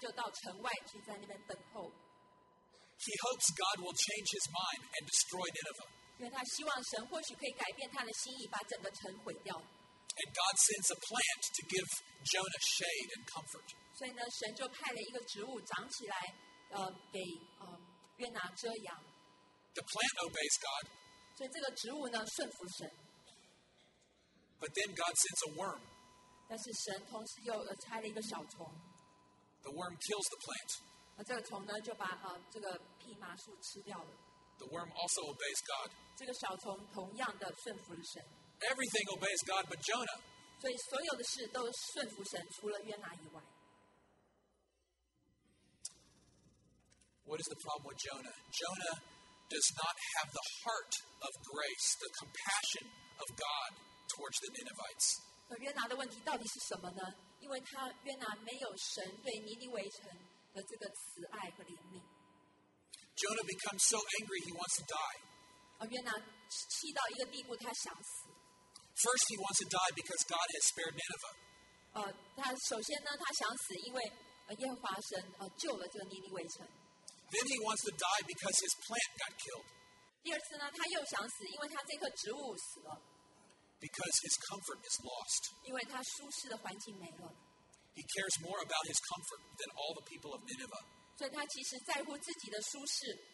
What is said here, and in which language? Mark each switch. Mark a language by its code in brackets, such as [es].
[zh] 约拿不高兴,因为尼尼微城全城的人得救,所以他就到城外去在那边等候。 [en] He hopes God will change his mind and destroy Nineveh. [zh] 因为他希望神或许可以改变他的心意,把整个城毁掉。 [en] And God sends a plant to give Jonah shade and comfort. [zh] 所以呢,神就派了一个植物长起来,给约拿遮阳。 [en] The plant obeys God. [zh] 所以这个植物呢,顺服神。 [en] But then God sends a worm. [zh] 但是神同时又拆了一个小虫, [en] the worm kills the plant. [zh] 而这个虫呢, 就把, 这个匹麻树吃掉了, [en] the worm also obeys God. [zh] 这个小虫同样的顺服了神, [en] everything obeys God but Jonah. [zh] 所以所有的事都顺服神, 除了约拿以外。 [en] What is the problem with Jonah? Jonah does not have the heart of grace, the compassion of God towards the Ninevites. [zh] 约拿的问题到底是什么呢?因为约拿没有神对尼尼微城的这个慈爱和怜悯。 [en] Jonah becomes so angry he wants to die. [zh] 约拿气到一个地步他想死。 [en] First he wants to die because God has spared Nineveh. [zh] 他首先呢他想死因为耶和华神救了这个尼尼微城。 [en] Then he wants to die because his plant got killed. [zh] 第二次呢他又想死因为他这棵植物死了。 [en] Because his comfort is lost. He cares more about his comfort than all the people of Nineveh.